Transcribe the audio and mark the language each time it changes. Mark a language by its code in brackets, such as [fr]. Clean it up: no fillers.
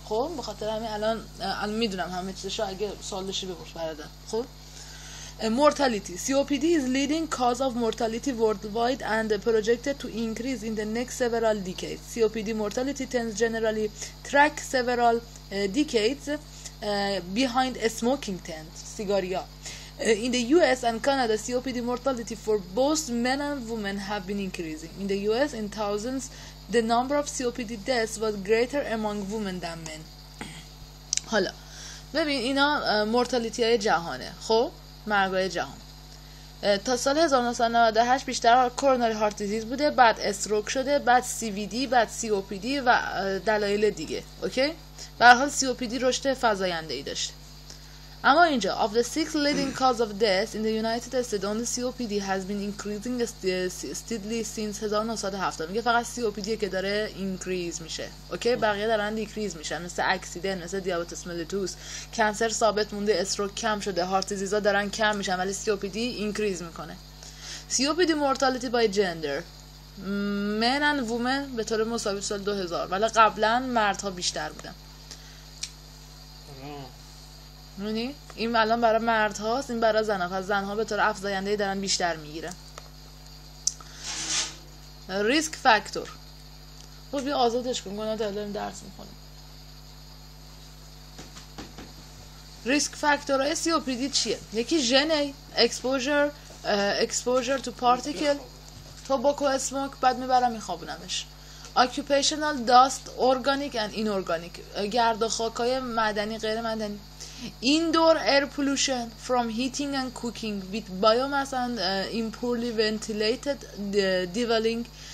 [fa] خب بخاطر همین الان میدونم همه چیزش رو، اگه سوال داشتی بپرس برادر. خب mortality. [en] COPD is leading cause of mortality worldwide and projected to increase in the next several decades. COPD mortality tends generally track several decades behind a smoking trend. Cigaria. In the US and Canada, COPD mortality for both men and women have been increasing. In the US, in thousands, the number of COPD deaths was greater among women than men. [fa] حالا ببین اینا mortality های جهانه. خب مرگای جهان تا سال 1998 بیشتر کورونری هارت دیزیز بوده، بعد استروک شده، بعد CVD، بعد COPD و دلایل دیگه. اوکی؟ به هر حال COPD رشد فزاینده‌ای داشته. اما اینجا [en] of the 6 leading cause of death in the United States, only COPD has been increasing steadily since 1970. [fa] میگه فقط COPD که داره اینکریز میشه. اوکی؟ بقیه دارن دیکریز میشن، مثل اکسیدن، مثل دیابتس ملیتوس. کانسر ثابت مونده، استروک کم شده، هارت دیزیزا دارن کم میشن، ولی COPD اینکریز میکنه. [en] COPD mortality by gender. Men and women [fa] به طور مساوی سال 2000، ولی قبلا مردها بیشتر بودن. نونی این الان برای مرد هاست، این برای زن ها. پس زن ها به طور افزاینده دارن بیشتر میگیره. ریسک فاکتور خب بیا آزادش کن گناه دلیم درس میخونم. ریسک فاکتور های COPD چیه؟ یکی ژن، اکسپوژر تو پارتیکل تو باکو اسموک، بعد میبرم میخوابونمش. اکیوپیشنال داست ارگانیک ان اینورگانیک، گرد و خاک های مدنی غیر مدنی. [en] Indoor air pollution from heating and cooking with biomass and impurely ventilated dwelling.